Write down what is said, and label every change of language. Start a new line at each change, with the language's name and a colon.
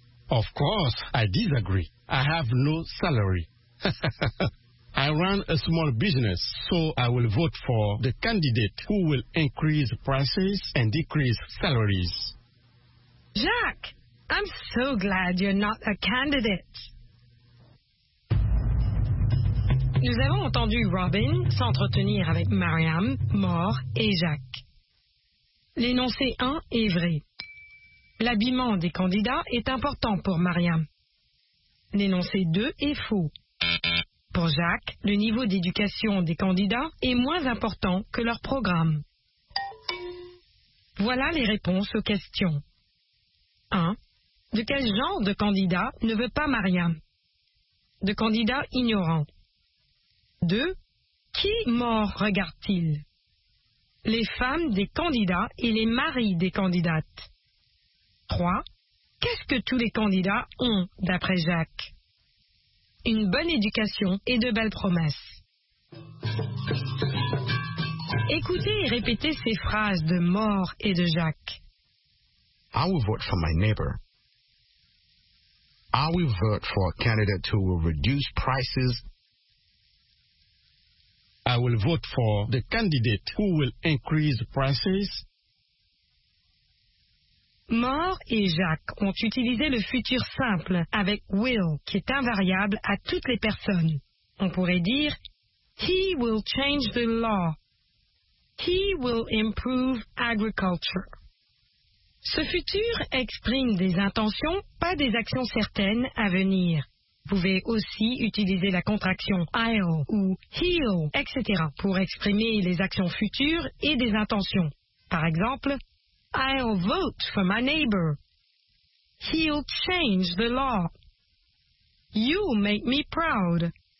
English: Of course, I disagree. I have no salary. I run a small business, so I will vote for the candidate who will increase prices and decrease salaries. Jacques, I'm so glad you're not a candidate.
French: Nous avons entendu Robin s'entretenir avec Mariam, Moore et Jacques. L'énoncé 1 est vrai. L'habillement des candidats est important pour Mariam. L'énoncé 2 est faux. Pour Jacques, le niveau d'éducation des candidats est moins important que leur programme. Voilà les réponses aux questions. 1. De quel genre de candidat ne veut pas Mariam? De candidat ignorant. 2. Qui mort regarde-t-il? Les femmes des candidats et les maris des candidates. 3. Qu'est-ce que tous les candidats ont, d'après Jacques? Une bonne éducation et de belles promesses. Écoutez et répétez ces phrases de Mort et de Jacques.
English: I will vote for my neighbor. I will vote for a candidate who will reduce prices. I will vote for the candidate who will increase prices.
French: Moore et Jacques ont utilisé le futur simple avec will, qui est invariable à toutes les personnes. On pourrait dire,
English: he will change the law. He will improve agriculture.
French: Ce futur exprime des intentions, pas des actions certaines à venir. Vous pouvez aussi utiliser la contraction I'll ou he'll, etc. pour exprimer les actions futures et des intentions. Par exemple,
English: I'll vote for my neighbor. He'll change the law. You make me proud.